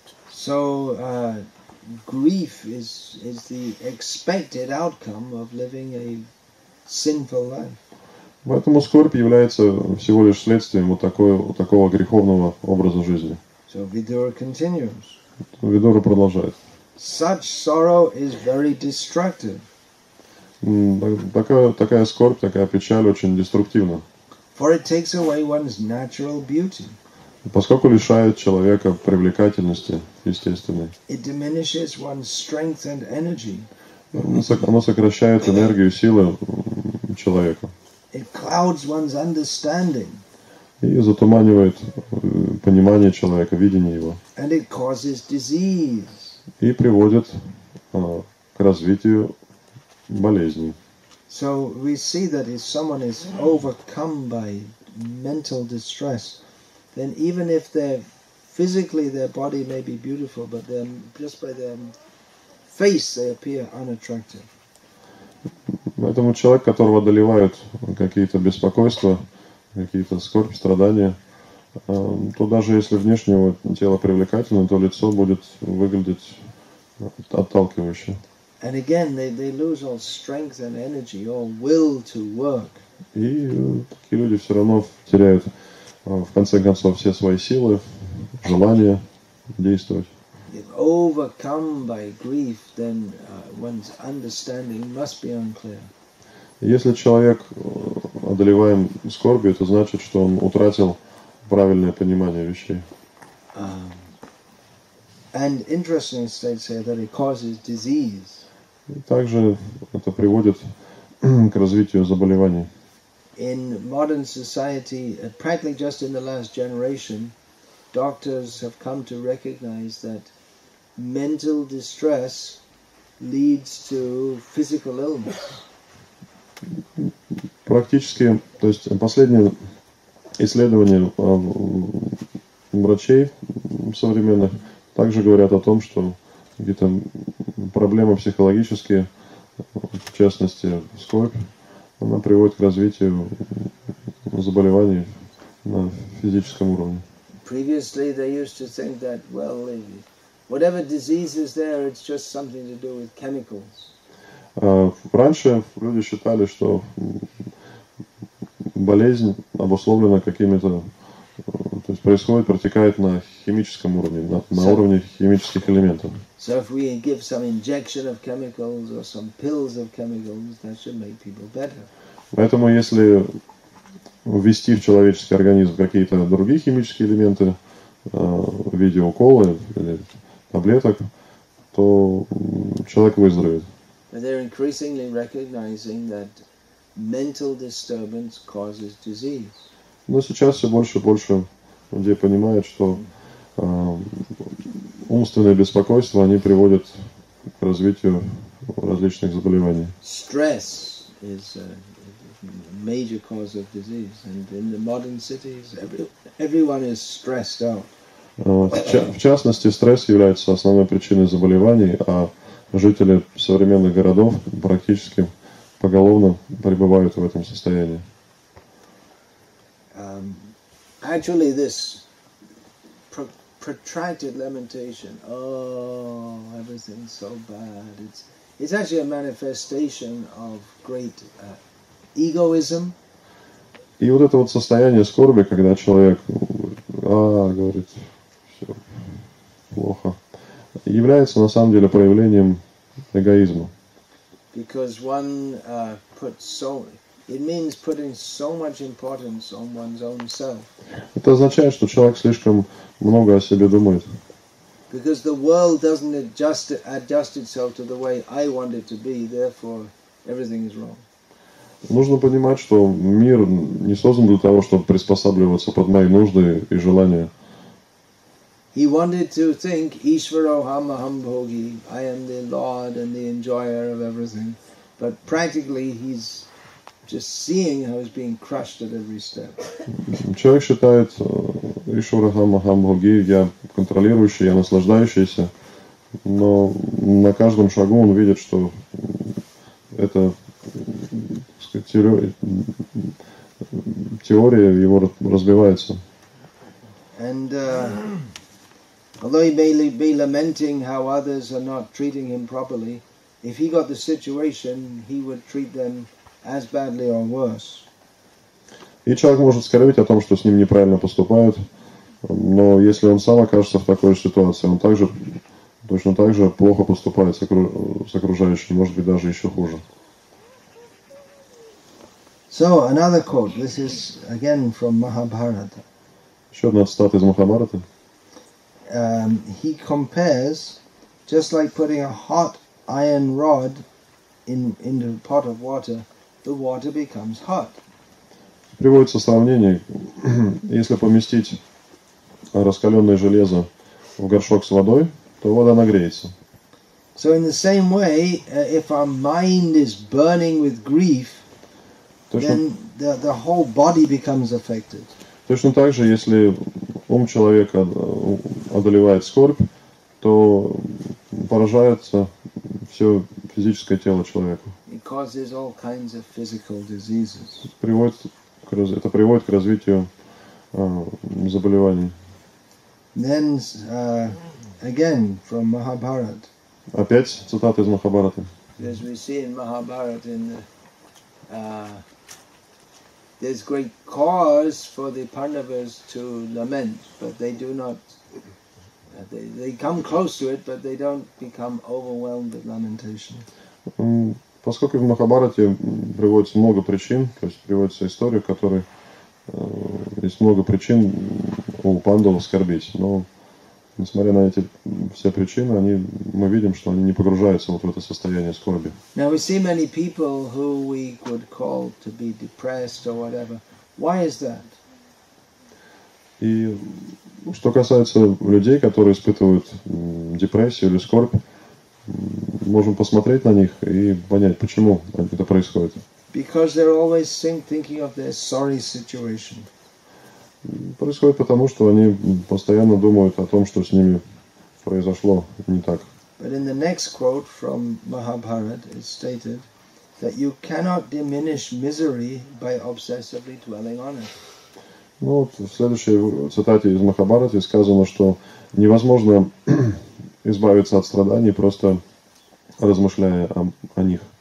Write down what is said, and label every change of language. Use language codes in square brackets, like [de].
[en] So grief is the expected outcome of living a sinful life. [ru] Поэтому скорбь является всего лишь следствием вот такого греховного образа жизни. [en] So Vidura continues. [ru] Vidura продолжает. [en] Such sorrow is very destructive. [ru] Такая скорбь, такая печаль очень деструктивна. [en] For it takes away one's natural beauty. [ru] Поскольку лишает человека привлекательности естественной. [en] It diminishes one's strength and energy. [ru] Оно сокращает энергию, силы человека. [en] It clouds one's understanding. [ru] И затуманивает понимание человека, видение его. [en] And it causes disease. [ru] И приводит к развитию болезней. [en] So we see that if someone is overcome by mental distress, then even if they're physically their body may be beautiful, but then just by their face they appear unattractive. [ru] Поэтому человек, которого одолевают какие-то беспокойства, какие-то скорбь, страдания, то даже если внешне его тело привлекательно, то лицо будет выглядеть отталкивающе. [en] And again, they lose all strength and energy, all will to work. [ru] И такие люди все равно теряют, в конце концов, все свои силы, желание действовать. [en] If overcome by grief, then one's understanding must be unclear. [ru] Если человек одолеваем скорбью, это значит, что он утратил правильное понимание вещей. [en] And interesting states here that it causes disease. [ru] И также это приводит к развитию заболеваний. [en] In modern society, practically just in the last generation, doctors have come to recognize that mental distress leads to physical illness. [ru] Практически, то есть последние исследования врачей современных также говорят о том, что где-то проблемы психологические, в частности, скорбь, она приводит к развитию заболеваний на физическом уровне. [en] Previously they used to think that, well, whatever disease is there, it's just something to do with chemicals. [ru] Раньше люди считали, что болезнь обусловлена какими-то, то есть происходит, протекает на химическом уровне, на уровне химических элементов. [en] So if we give some injection of chemicals or some pills of chemicals, that should make people better. [ru] Поэтому если ввести в человеческий организм какие-то другие химические элементы, в виде укола или таблеток, то человек выздоровеет. [en] But they're increasingly recognizing that mental disturbance causes disease. [ru] Но сейчас все больше и больше людей понимают, что умственные беспокойства, они приводят к развитию различных заболеваний. [en] Stress is major cause of disease, and in the modern cities, everyone is stressed out. [ru] В частности, стресс является основной причиной заболеваний, а жители современных городов практически поголовно пребывают в этом состоянии. [en] Actually, this protracted lamentation, oh, everything's so bad, it's actually a manifestation of great egoism. [ru] И вот это вот состояние скорби, когда человек говорит, все плохо, является на самом деле проявлением эгоизма. [en] Because one puts so, It means putting so much importance on one's own self. [ru] Это означает, что человек слишком много о себе думает. [en] Because the world doesn't adjust itself to the way I want it to be, therefore everything is wrong. [ru] Нужно понимать, что мир не создан для того, чтобы приспосабливаться под мои нужды и желания. [en] He wanted to think [sa] Ishvaroham Aham Bhogi, [en] I am the Lord and the enjoyer of everything. But practically he's just seeing how he's being crushed at every step. [ru] Человек считает [sa] Ишвараham Aham Bhogi, [ru] я контролирующий, я наслаждающийся, но на каждом шагу он видит, что это, так сказать, теория его разбивается. [en] And although he may be lamenting how others are not treating him properly, if he got the situation, he would treat them as badly or worse. [ru] И человек может скорбить о том, что с ним неправильно поступают, но если он сам окажется в такой ситуации, он также точно так же плохо поступает с окружающими, может быть, даже еще хуже. [en] So, another quote. This is again from Mahabharata. [ru] Еще одна цитата из Махабхараты. [en] He compares, just like putting a hot iron rod into a pot of water, the water becomes hot. [ru] Приводится сравнение, если поместить раскаленное железо в горшок с водой, то вода нагреется. [en] So in the same way, if our mind is burning with grief, then the whole body becomes affected. [ru] Точно так же, если ум человека одолевает скорбь, то поражается все физическое тело человека. [en] It causes all kinds of physical diseases. [ru] Это приводит к развитию заболеваний. [en] Then, again, from Mahabharata. [ru] Опять цитата из Махабхараты. [en] As we see in Mahabharata, in the, there's great cause for the Pandavas to lament, but they do not. They come close to it, but they don't become overwhelmed with lamentation. [ru] Поскольку в Махабхарате приводится много причин, то есть приводится история, в которой есть много причин у Пандавов скорбить, но несмотря на эти все причины, мы видим, что они не погружаются вот в это состояние скорби. [en] Now we see many people who we could call to be depressed or whatever. Why is that? [ru] И что касается людей, которые испытывают депрессию или скорбь, можем посмотреть на них и понять, почему это происходит. [en] Because they're always thinking of their sorry situation. [ru] Происходит потому, что они постоянно думают о том, что с ними произошло не так. [en] But in the next quote from Mahabharata, it's stated that you cannot diminish misery by obsessively dwelling on it. [ru] Ну, вот в следующей цитате из Махабхараты сказано, что невозможно избавиться от страданий, просто размышляя о них.